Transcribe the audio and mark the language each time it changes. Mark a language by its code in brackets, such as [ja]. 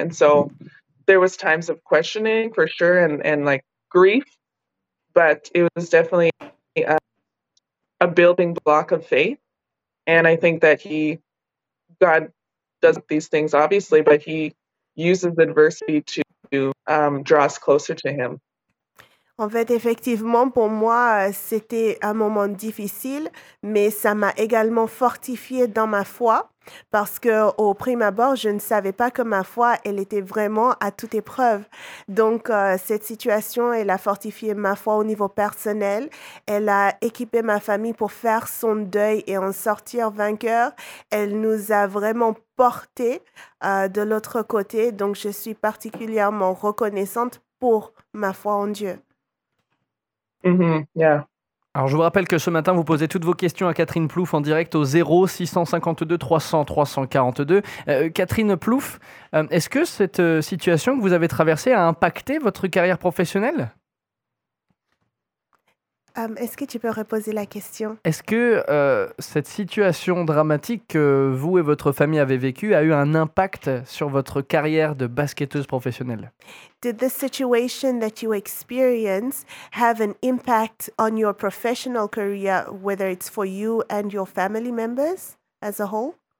[en] And so there was times of questioning, for sure, and like grief, but it was definitely a building block of faith. And I think that God does these things, obviously, but he uses adversity to draw us closer to him. [fr] En fait, effectivement, pour moi, c'était un moment difficile, mais ça m'a également fortifié dans ma foi, parce que au prime abord, je ne savais pas que ma foi, elle était vraiment à toute épreuve. Donc, cette situation, elle a fortifié ma foi au niveau personnel. Elle a équipé ma famille pour faire son deuil et en sortir vainqueur. Elle nous a vraiment portés de l'autre côté. Donc, je suis particulièrement reconnaissante pour ma foi en Dieu. Mm-hmm. Yeah. Alors, je vous rappelle que ce matin, vous posez toutes vos questions à Catherine Plouffe en direct au 0-652-300-342. Catherine Plouffe, est-ce que cette situation que vous avez traversée a impacté votre carrière professionnelle? Est-ce que tu peux reposer la question? Est-ce que cette situation dramatique que vous et votre famille avez vécue a eu un impact sur votre carrière de basketteuse professionnelle? [en] Did the situation that you experienced have an impact on your professional career, whether it's for you and your family members as a whole?